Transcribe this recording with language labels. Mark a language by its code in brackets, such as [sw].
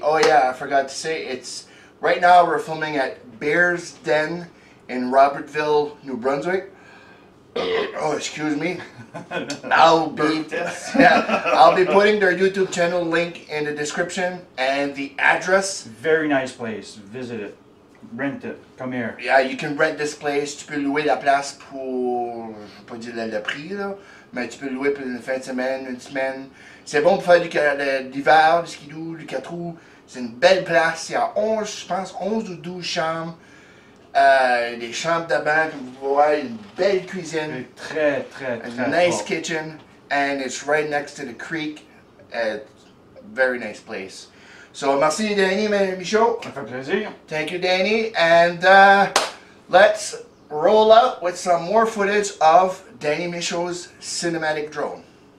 [en] Oh yeah, I forgot to say, it's right now we're filming at Bear's Den in Robertville, New Brunswick. Oh, excuse me. I'll be putting their YouTube channel link in the description and the address. Very nice place. Visit it. Rent it. Come here. Yeah, you can rent this place. [fr] Tu peux louer la place pour, je vais pas dire le prix là, mais tu peux louer pour une fin de semaine, une semaine. C'est bon pour faire du l'hiver, du ski doux, du 4 roues. C'est une belle place. Il y a 11, je pense, 11 ou 12 chambres. Des chambres de bain, comme vous voyez, une belle cuisine. Très, très, très fort. [en] A nice kitchen, and it's right next to the creek. Very nice place. So, merci Danny, my Michaud. [fr] Ça fait plaisir. [en] Thank you, Danny. And let's roll out with some more footage of Danny Michaud's cinematic drone.